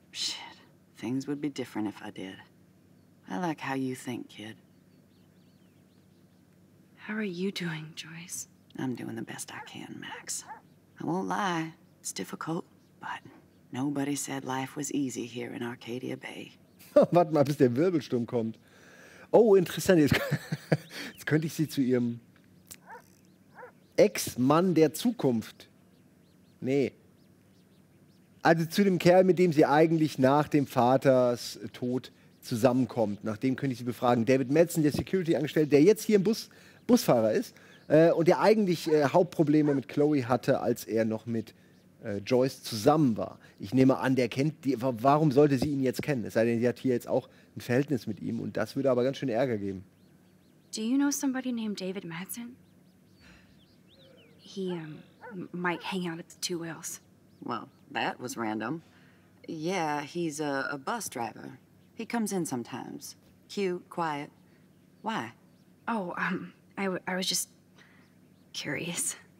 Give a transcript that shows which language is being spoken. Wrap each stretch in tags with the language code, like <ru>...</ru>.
<en>Shit, things would be different if I did. I like how you think, kid. How are you doing, Joyce? I'm doing the best I can, Max. I won't lie, it's difficult, but nobody said life was easy here in Arcadia Bay.</en> <de>Warte mal, bis der Wirbelsturm kommt. Oh, interessant. Jetzt könnte ich sie zu ihrem Ex-Mann der Zukunft. Nee. Also zu dem Kerl, mit dem sie eigentlich nach dem Vaters Tod zusammenkommt. Nach dem könnte ich sie befragen. David Madsen, der Security-Angestellte, der jetzt hier im Busfahrer ist. Und der eigentlich Hauptprobleme mit Chloe hatte, als er noch mit Joyce zusammen war. Ich nehme an, der kennt die. Warum sollte sie ihn jetzt kennen? Es sei denn, sie hat hier jetzt auch ein Verhältnis mit ihm. Und das würde aber ganz schön Ärger geben.</de> <en>Do you know somebody named David Madsen? He might hang out at the Two Wheels. Well, that was random. Yeah, he's a bus driver. He comes in sometimes. Cute, quiet. Why? Oh, I was just curious.</en>